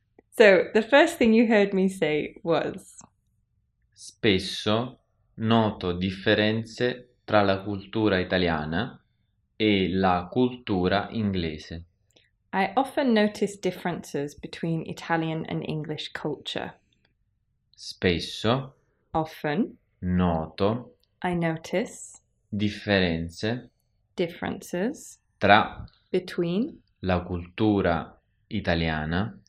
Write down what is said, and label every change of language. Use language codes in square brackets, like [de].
[en] So, the first thing you heard me say was... [it] Spesso noto differenze tra la cultura italiana e la cultura inglese. [en] I often notice differences between Italian and English culture. [it] Spesso. [en] Often. [it] Noto. [en] I notice. [it] Differenze. [en] Differences. [it] Tra. [en] Between. [it] La cultura italiana.